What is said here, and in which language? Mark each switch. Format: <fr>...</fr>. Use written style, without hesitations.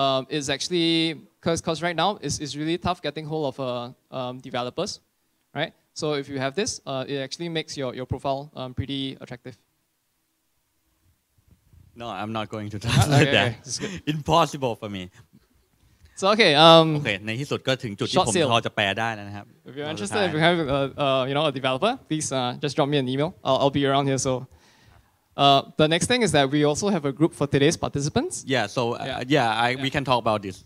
<en>It's actually, because right now it's really tough getting hold of developers, right? So if you have this, it actually makes your profile pretty attractive. No, I'm not going to translate that. Impossible for me. So okay.</en> <th>ในที่สุดก็ถึงจุดที่ผมพอจะแปลได้แล้วนะครับ</th> <en>If you're interested, if you have you know, a developer, please just drop me an email. I'll be around here. So the next thing is that we also have a group for today's participants. Yeah. So we can talk about this.</en>